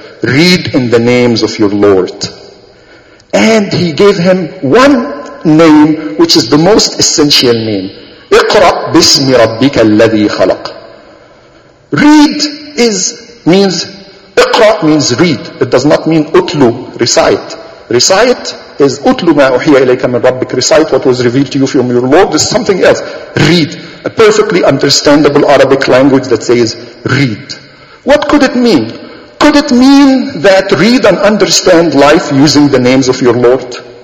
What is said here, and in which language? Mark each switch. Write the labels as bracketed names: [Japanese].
[English] Read in the names of your Lord. And he gave him one name, which is the most essential name. [Arabic] اقرأ بسم ربك الذي خلق. [English] Read means, اقرأ means read. It does not mean utlu, recite. Recite is utlu [Arabic] ما أحيى إليك من ربك. [English] Recite what was revealed to you from your Lord is something else. Read. A perfectly understandable Arabic language that says read. What could it mean? Could it mean that read and understand life using the names of your Lord?